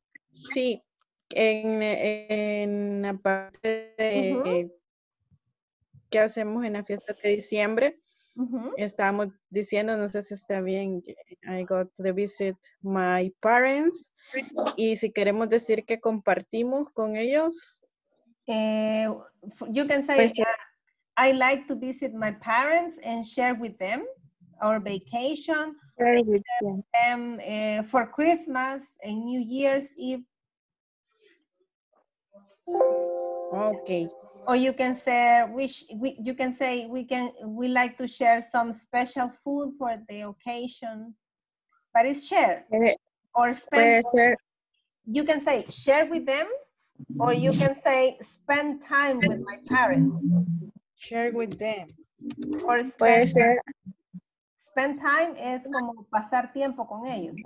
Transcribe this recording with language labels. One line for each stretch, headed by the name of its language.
Spanish: Sí, en la parte de qué hacemos en la fiesta de diciembre, estábamos diciendo, no sé si está bien,
English: I got to visit my parents,
Spanish: y si queremos decir que compartimos con ellos.
English: You can say, pues, I like to visit my parents and share with them our vacation. Very good. For Christmas and New Year's Eve. Okay. Or you can say we like to share some special food for the occasion. But it's share or spend. You can say share with them, or you can say spend time with my parents. Share with them. Or spend time is
Spanish: como pasar tiempo con ellos.